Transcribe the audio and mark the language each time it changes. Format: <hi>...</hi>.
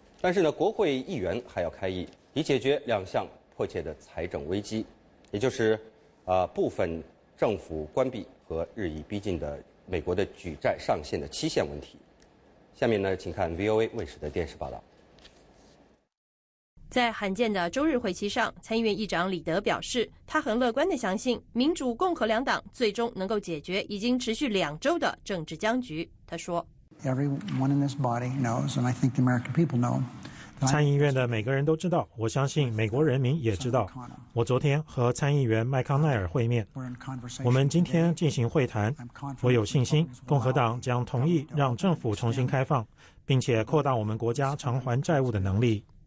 <zh>但是呢，国会议员还要开议，以解决两项迫切的财政危机，也就是部分政府关闭和日益逼近的美国的举债上限的期限问题。下面呢，请看 VOA 卫视的电视报道。在罕见的周日会期上，参议院议长李德表示，他很乐观地相信民主共和两党最终能够解决已经持续两周的政治僵局。他说</zh> <en>Everyone in this body knows, and I think the American people know,</en> <zh>参议院的每个人都知道，我相信美国人民也知道。我昨天和参议员麦康奈尔会面，我们今天进行会谈，我有信心共和党将同意让政府重新开放，并且扩大我们国家偿还债务的能力。</zh>